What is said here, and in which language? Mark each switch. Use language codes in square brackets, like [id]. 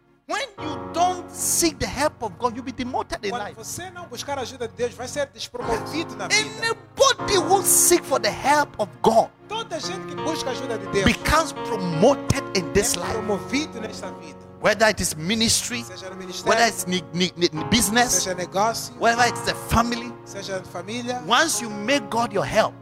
[en] When you don't seek the help of God, you'll be demoted [pt] quando [en] in life. [pt] Quando você não buscar a ajuda de Deus, vai ser despromovido na vida. [en] Anybody who seek for the help of God, [pt] toda gente que busca ajuda de Deus, [en] becomes promoted in this life. [pt] É promovido nesta vida. [en] Whether it is ministry, whether it's business, [pt] seja negócio, [en] whether it's a family, [pt] seja família, [en] once you make God your help,